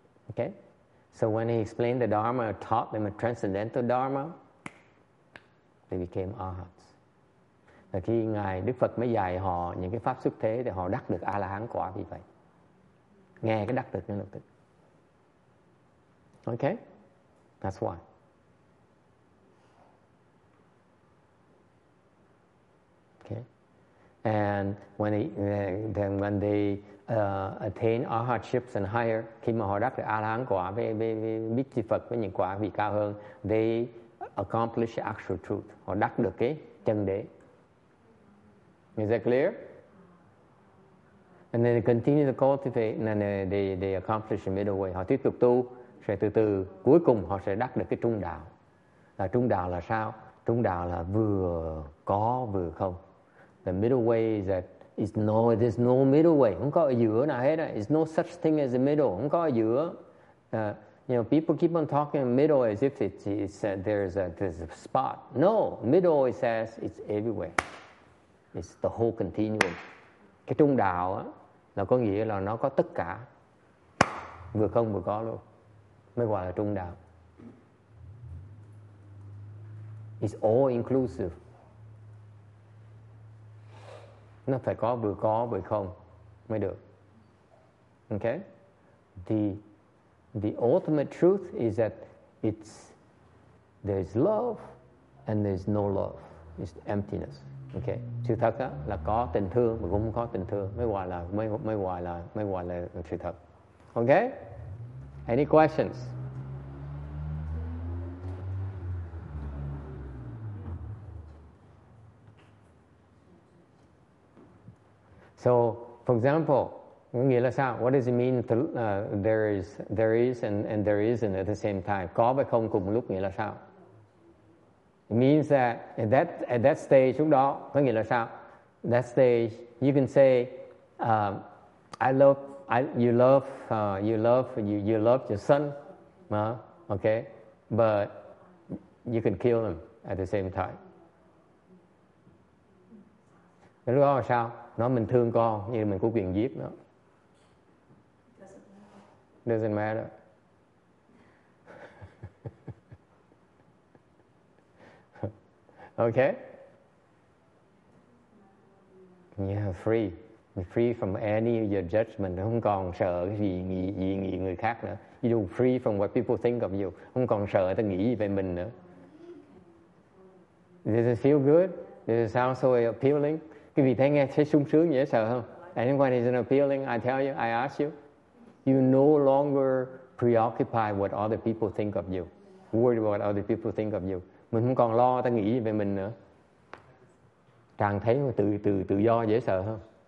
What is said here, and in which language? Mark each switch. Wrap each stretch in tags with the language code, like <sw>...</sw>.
<en>Okay, so when he explained the Dharma, taught them a transcendental Dharma, they became arhats.</en> <vi>Và khi ngài Đức Phật mới dạy họ những cái pháp xuất thế thì họ đắc được A-la-hán quả vì vậy. Nghe cái đắc được ngay lập tức.</vi> <en>Okay, that's why. Okay, and when they attain arhatships and higher,</en> <vi>khi mà họ đắc được A-la-hán quả với biết chư Phật với những quả vị cao hơn,</vi> <en>they accomplish actual truth.</en> <vi>Họ đắc được cái chân đế.</vi> <en>Is that clear? And then they continue to cultivate, and then they accomplish the middle way.</en> <vi>Họ tiếp tục tu, sẽ từ từ cuối cùng họ sẽ đắc được cái trung đạo. Là trung đạo là sao? Trung đạo là vừa có vừa không.</vi> <en>The middle way is that there's no middle way.</en> <vi>Không có ở giữa nào hết.</vi> <en>It's no such thing as the middle.</en> <vi>Không có ở giữa.</vi> <en>You know, people keep on talking middle as if there's a spot. No, middle says it's everywhere. It's the whole continuum.</en> <vi>Cái trung đạo á, là có nghĩa là nó có tất cả. Vừa không vừa có luôn. Mới gọi là trung đạo.</vi> <en>It's all inclusive.</en> <vi>Nó phải có vừa có vừa không mới được.</vi> <en>Okay? The ultimate truth is that there's love and there's no love. It's emptiness. Okay.</en> <vi>Sự thật là có tình thương mà cũng không có tình thương. Mới gọi là sự thật. Okay? Any questions?</vi> <en>So, for example,</en> <vi>nghĩa là sao?</vi> <en>What does it mean to, there is and there isn't at the same time?</en> <vi>Có và không cùng lúc nghĩa là sao?</vi> <en>It means that at that stage,</en> <vi>lúc đó, có nghĩa là sao?</vi> <en>That stage, you can say, you love your son, okay, but you can kill him at the same time.</en> <vi>Lúc đó là sao? Nói mình thương con như mình có quyền giết nó.</vi> <en>Doesn't matter. Okay? Yeah, free. Free from any of your judgment.</en> <vi>Không còn sợ gì nghĩ người khác nữa.</vi> <en>You're free from what people think of you.</en> <vi>Không còn sợ ta nghĩ về mình nữa.</vi> <en>Does it feel good? Does it sound so appealing?</en> <vi>Cái vị thấy nghe thấy sung sướng dễ sợ không?</vi> <en>Anyone is appealing, I tell you, I ask you. You no longer preoccupy what other people think of you. Worry about what other people think of you.</en> <vi>Mình không còn lo ta nghĩ về mình nữa. Càng thấy mà tự do dễ sợ hơn.</vi>